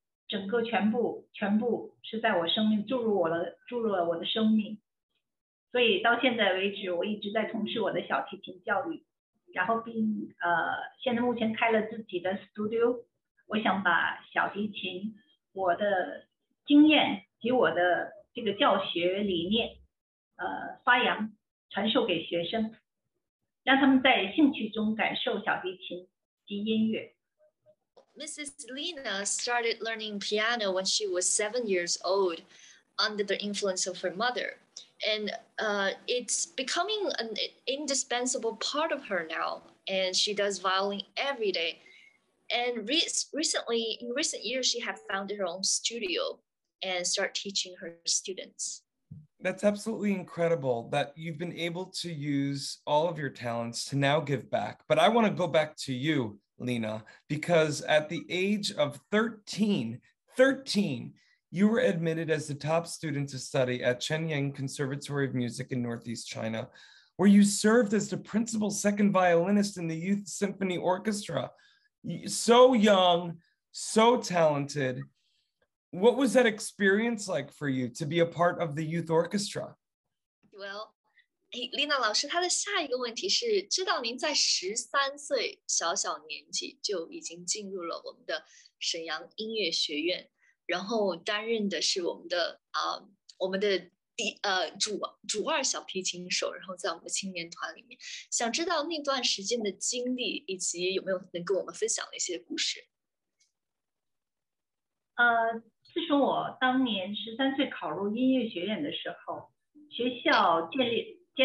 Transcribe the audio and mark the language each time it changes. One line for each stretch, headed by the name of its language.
Chinese: 整个全部是在我生命注入我的生命，所以到现在为止，我一直在从事我的小提琴教育。然后，现在目前开了自己的studio，我想把小提琴我的经验及我的这个教学理念，发扬传授给学生，让他们在兴趣中感受小提琴及音乐。
English: Mrs. Lina started learning piano when she was 7 years old under the influence of her mother. And it's becoming an indispensable part of her now. And she does violin every day. And in recent years, she has founded her own studio and start teaching her students. That's absolutely incredible that you've been able to use all of your talents to now give back. But I want to go back to you, Lina, because at the age of 13, you were admitted as the top student to study at Shenyang Conservatory of Music in Northeast China, where you served as the principal second violinist in the Youth Symphony Orchestra. So young, so talented. What was that experience like for you to be a part of the Youth Orchestra?
Chinese: Well, Lina老师，他的下一个问题是，知道您在13岁小小年纪就已经进入了我们的沈阳音乐学院，然后担任的是我们的主二小提琴手，然后在我们青年团里面，想知道那段时间的经历，以及有没有能跟我们分享一些故事？自从我当年13岁考入音乐学院的时候，学校建立。